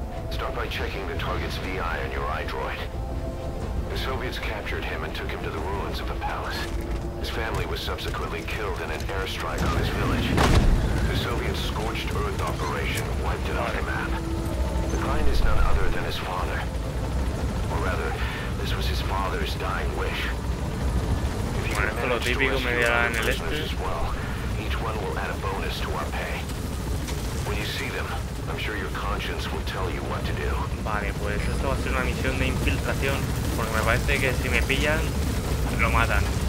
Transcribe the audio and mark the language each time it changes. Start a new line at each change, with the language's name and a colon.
English: Start by checking the target's VI on your iDroid. The Soviets captured him and took him to the ruins of the palace. His family was subsequently killed in an airstrike on his village. The Soviet scorched earth operation wiped it off the map. The client is none other than his father. Or rather, this was his father's dying wish.
Spanish: Bueno, lo típico me dirá en el este.
English: Each one will add a bonus to our pay. When you see them, I'm sure your conscience will tell you what to do.
Spanish: Vale, pues esto va a ser una misión de infiltración, porque me parece que si me pillan, lo matan.